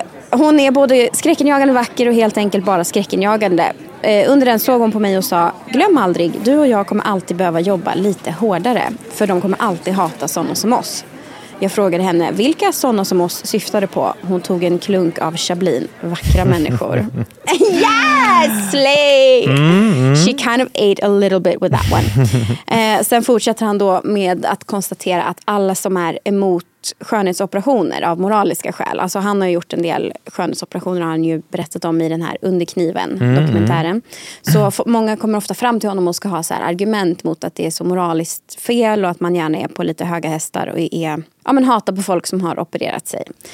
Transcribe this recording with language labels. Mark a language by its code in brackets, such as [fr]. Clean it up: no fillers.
[sv] Hon är både skräckenjagande vacker och helt enkelt bara skräckenjagande. Under den såg hon på mig och sa: glöm aldrig, du och jag kommer alltid behöva jobba lite hårdare, för de kommer alltid hata sådana som oss. Jag frågade henne vilka sådana som oss syftade på. Hon tog en klunk av chablin. Vackra människor. [en] Yes, [sv] Lee! [en] She kind of ate a little bit with that one. [sv] Sen fortsätter han då med att konstatera att alla som är emot skönhetsoperationer av moraliska skäl, alltså han har gjort en del skönhetsoperationer, har han ju berättat om i den här Underkniven dokumentären. Så många kommer ofta fram till honom och ska ha så här argument mot att det är så moraliskt fel och att man gärna är på lite höga hästar och är, ja, men hatar på folk som har opererat sig.